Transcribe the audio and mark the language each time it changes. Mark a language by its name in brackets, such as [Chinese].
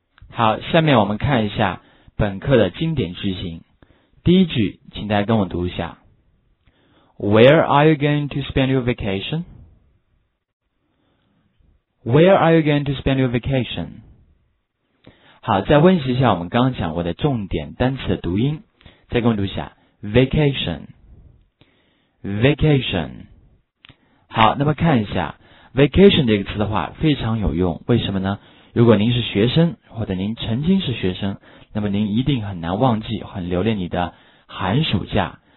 [Chinese] 好，下面我们看一下本课的经典句型。第一句请大家跟我读一下 [English] Where are you going to spend your vacation? [Chinese] 好，再温习一下我们刚刚讲过的重点单词的读音，再跟我读一下 vacation。 [English] vacation。 [Chinese] 好，那么看一下 vacation 这个词的话，非常有用。为什么呢？如果您是学生，或者您曾经是学生，那么您一定很难忘记，很留恋你的寒暑假。